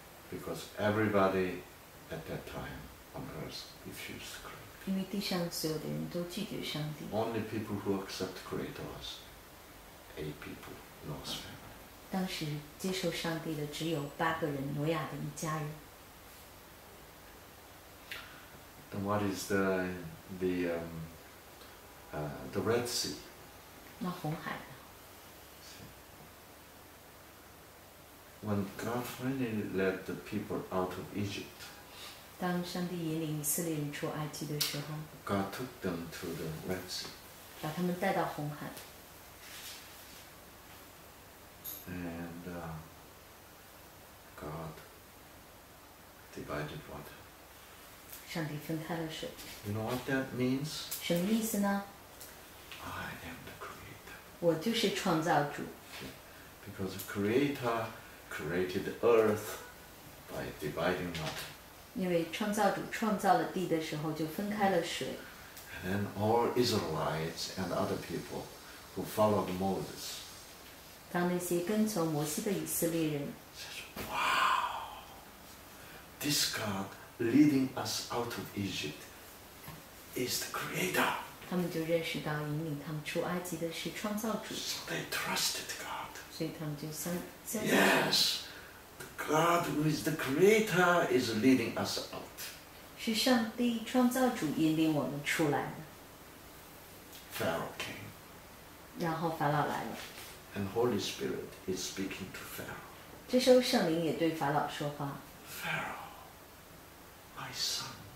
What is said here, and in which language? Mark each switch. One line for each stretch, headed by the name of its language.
English: because everybody at that time on earth refused Creator.
Chinese: 因为地上所有的人都拒绝上帝.
English: Only people who accept Creator's eight people, Noah's family.
Chinese: 当时接受上帝的只有八个人，挪亚的一家人.
English: Then what is the Red Sea?
Chinese: 那红海.
English: When God finally led the people out of Egypt,
Chinese: 当上帝引领以色列人出埃及的时候,
English: God took them to the Red Sea.
Chinese: 把他们带到红海.
English: And God divided water.
Chinese: 上帝分开了水.
English: You know what that means?
Chinese: 什么意思呢?
English: I am the Creator.
Chinese: 我就是创造主.
English: Because the Creator created the earth by dividing water.
Chinese: 因为创造主创造了地的时候就分开了水.
English: And then all Israelites and other people who followed Moses,
Chinese: 当那些跟从摩西的以色列人,
English: says, wow, this God leading us out of Egypt is the Creator.
Chinese: 他们就认识到引领他们出埃及的是创造主.
English: So they trusted God.
Chinese: 所以他们就相信.
English: Yes, the God who is the Creator is leading us out.
Chinese: 是上帝创造主引领我们出来的.
English: Pharaoh came.
Chinese: 然后法老来了。
English: And Holy Spirit is speaking to Pharaoh.
Chinese: 这时候圣灵也对法老说话。
English: Pharaoh, my son.